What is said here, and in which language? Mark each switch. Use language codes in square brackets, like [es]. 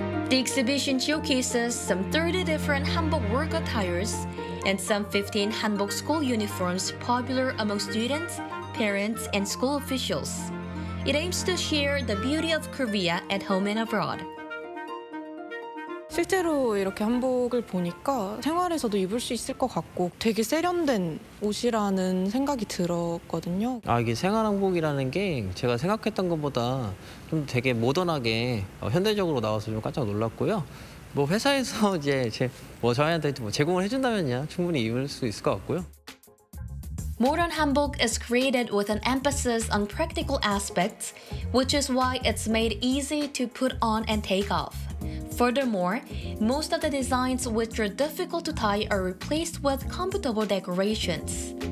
[en] The exhibition showcases some 30 different hanbok work attires and some 15 hanbok school uniforms popular among students, parents, and school officials. It aims to share the beauty of Korea at home and abroad. [ko] 실제로 이렇게 한복을 보니까 생활에서도 입을 수 있을 것 같고 되게 세련된 옷이라는 생각이 들었거든요. 아 이게 생활 한복이라는 게 제가 생각했던 것보다 좀 되게 모던하게 현대적으로 나와서 좀 깜짝 놀랐고요. 뭐 회사에서 이제 뭐 저희한테 뭐 제공을 해준다면야 충분히 입을 수 있을 것 같고요. [en] Modern hanbok is created with an emphasis on practical aspects, which is why it's made easy to put on and take off. Furthermore, most of the designs which are difficult to tie are replaced with comfortable decorations.